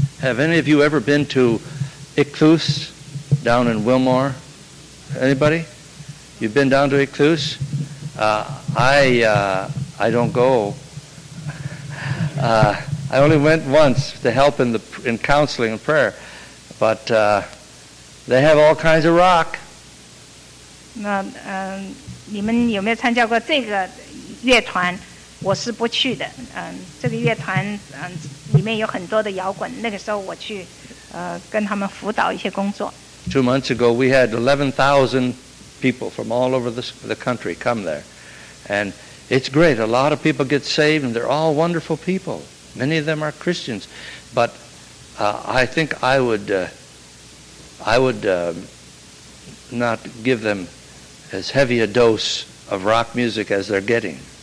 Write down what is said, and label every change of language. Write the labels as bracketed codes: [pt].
[en] Have any of you ever been to Ichthus down in Wilmore? Anybody? You've been down to Ichthus? I don't go. I only went once to help in counseling and prayer, but they have all kinds of rock. [zh] 那你们有没有参加过这个乐团？我是不去的。这个乐团里面有很多的摇滚。那个时候我去跟他们辅导一些工作。 [en] 2 months ago, we had 11,000 people from all over the country come there. And it's great. A lot of people get saved, and they're all wonderful people. Many of them are Christians. But I think I would not give them as heavy a dose of rock music as they're getting.